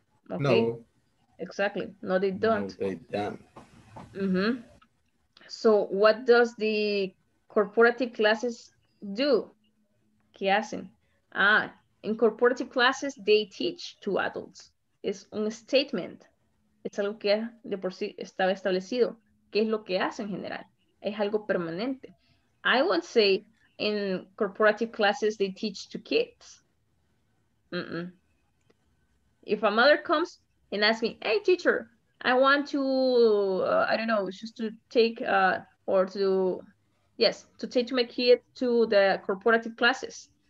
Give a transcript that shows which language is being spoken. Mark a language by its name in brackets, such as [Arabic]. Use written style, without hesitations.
[English] Okay. No. Exactly. No, they don't. No, they don't. Mm-hmm. So what does the corporative classes do? [Spanish] ¿Qué hacen? [English] Ah, in corporative classes, they teach to adults. [Spanish] Es un statement. Es algo que de por sí estaba establecido. ¿Qué es lo que hacen en general? Es algo permanente. [English] I won't say in corporative classes, they teach to kids. Mm-mm. If a mother comes and asks me, hey, teacher, I want to, I don't know, just to take or to, yes, to take my kid to the corporative classes.